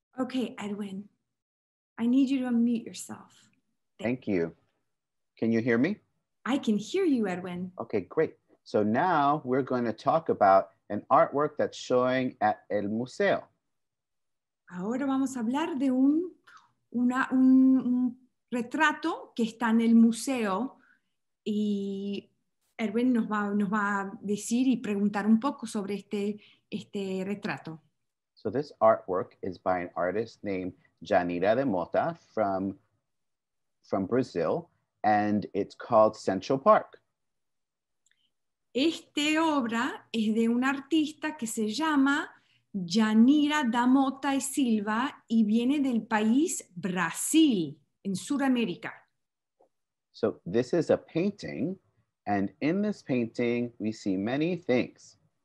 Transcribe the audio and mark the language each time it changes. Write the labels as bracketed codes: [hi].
[en] Okay, Edwin, I need you to unmute yourself. Thank you. Can you hear me? I can hear you, Edwin. Okay, great. So now we're going to talk about an artwork that's showing at El Museo. [es] Ahora vamos a hablar de un retrato que está en el museo y Erwin nos va a decir y preguntar un poco sobre este retrato. [en] So this artwork is by an artist named Djanira da Motta from Brazil, and it's called Central Park. [es] Esta obra es de un artista que se llama Djanira da Motta y Silva y viene del país Brasil, en Sudamérica. [en] So this is a painting, and in this painting we see many things.